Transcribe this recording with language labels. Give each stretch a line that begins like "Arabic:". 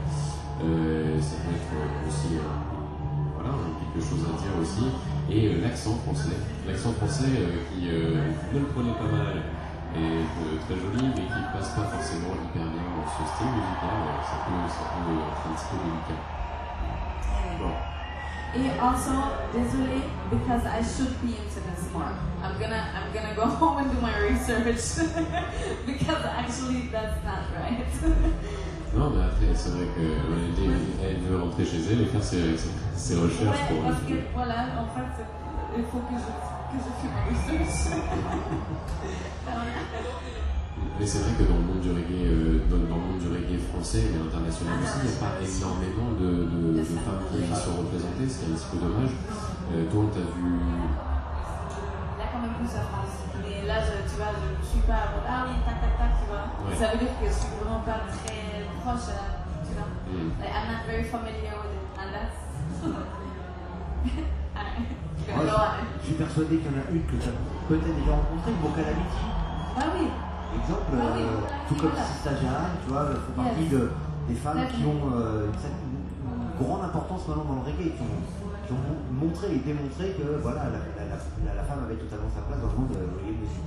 French: Ça peut être aussi voilà, quelque chose à dire aussi. Et l'accent français. L'accent français qui ne le prenait pas mal est très joli, mais qui ne passe pas forcément hyper bien dans ce style musical. Ça peut être un petit peu délicat. Bon.
English: Et also, désolé, because I should be into this more. I'm gonna go home and do my research because actually that's not right.
French: Non, mais après, c'est vrai qu'elle veut rentrer chez elle et faire ses recherches pour. Parce que voilà, en fait, il faut que je fasse ma research. Mais c'est vrai que dans le monde du reggae, dans le monde du reggae français et international aussi, il n'y a pas énormément de femmes qui sont représentées, ce qui est un petit peu dommage. Toi, t'as vu... Il y a quand même plus de France, mais là, je suis pas à mon tac, tu vois. Ça veut dire que je suis vraiment pas très proche, tu vois.
English: Like, I'm not very familiar with it, and that's...
French: Ouais, je suis persuadé qu'il y en a une que t'as peut-être déjà rencontrée, pour qu'elle habite. Ah oui. Exemple, tout comme Sista Jahan, tu vois, font partie des femmes qui ont une grande importance maintenant dans le reggae, qui ont montré et démontré que voilà, la femme avait totalement sa place dans le monde de reggae musique.